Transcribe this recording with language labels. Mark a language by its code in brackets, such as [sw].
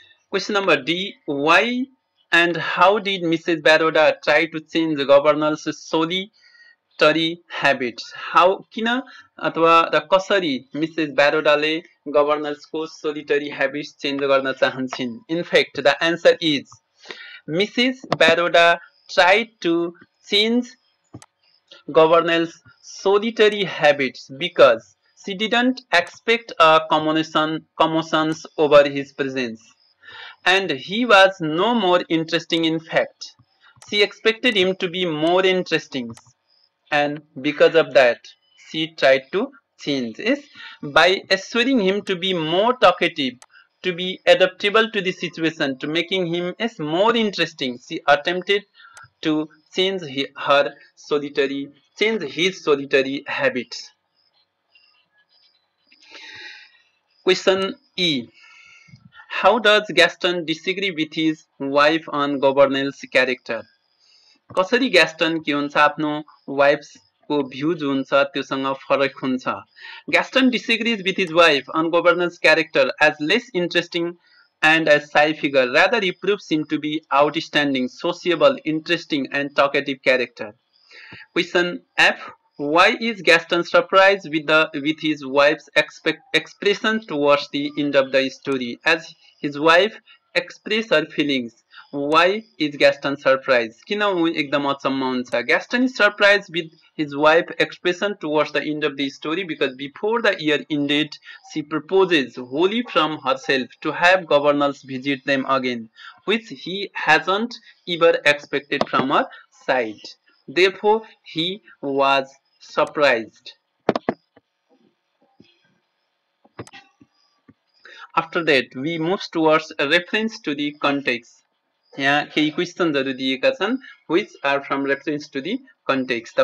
[en] Question number D. Why and how did Mrs. Baroda try to change the governor's solely habits? [ne] How किन अथवा र कसरी Mrs ब्यारोडाले गभर्नर्सको solitary habits change गर्न चाहन्छन्. [en] In fact the answer is Mrs Baroda tried to change Gouvernail's solitary habits because she didn't expect a commotions over his presence and he was no more interesting. In fact she expected him to be more interesting and because of that she tried to change this by assuring him to be more talkative, to be adaptable to the situation, to making him as more interesting. She attempted to change his solitary habits. Question E. How does Gaston disagree with his wife on governor's character? [ne] कसरी ग्यास्टन के हुन्छ आफ्नो वाइफको views हुन्छ त्योसँग फरक हुन्छ. [en] Gaston disagrees with his wife on Gouvernail's character as less interesting and as shy figure rather he proves him to be outstanding sociable interesting and talkative character. Question F. Why is Gaston surprise with his wife expression towards the end of the story. As his wife express her feelings, why is Gaston surprised? [ne] Kina ekdam achamma huncha. [en] Gaston is surprised with his wife's expression towards the end of the story because before the year ended she proposes wholly from herself to have governors visit them again, which he hasn't ever expected from her side. Therefore he was surprised. After that we move towards a reference to the context. [ne] यहाँ केही क्वेसनहरू दिएका छन् [en] Which are from reference to the context.